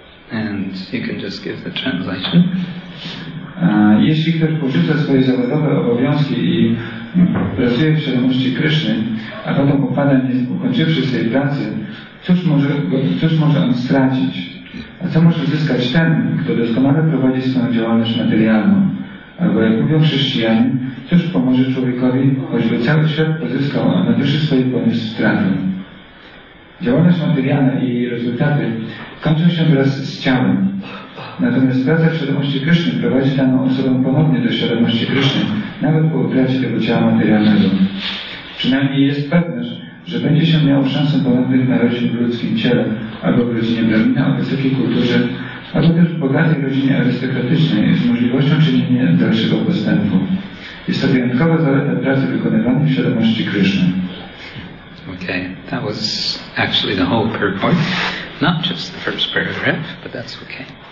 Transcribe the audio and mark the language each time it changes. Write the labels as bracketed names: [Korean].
[English] And you can just give the translation. [Polish] Jeśli ktoś porzuca swoje zawodowe obowiązki i pracuje w świadomości Kryszny, a potem upada, nie ukończywszy swojej pracy, cóż może on stracić? A co może zyskać ten, kto doskonale prowadzi swoją działalność materialną? Albo jak mówią chrześcijanie, cóż pomoże człowiekowi, choćby cały świat pozyskał, a nadwyższy swoje poniósł straty? Działalność materialna i jej rezultaty kończą się wraz z ciałem. Natomiast praca w świadomości Kryszny prowadzi daną osobę ponownie do świadomości Kryszny, nawet po utracie tego ciała materialnego. Przynajmniej jest pewność, że będzie się miał szansę ponownie narodzić w ludzkim ciele, albo w rodzinie Brahmina o wysokiej kulturze, albo też w bogatej rodzinie arystokratycznej z możliwością czynienia dalszego postępu. Jest to wyjątkowa zaleta pracy wykonywanej w świadomości Kryszny. [English] Okay, that was actually the whole purport, not just the first paragraph, but that's okay.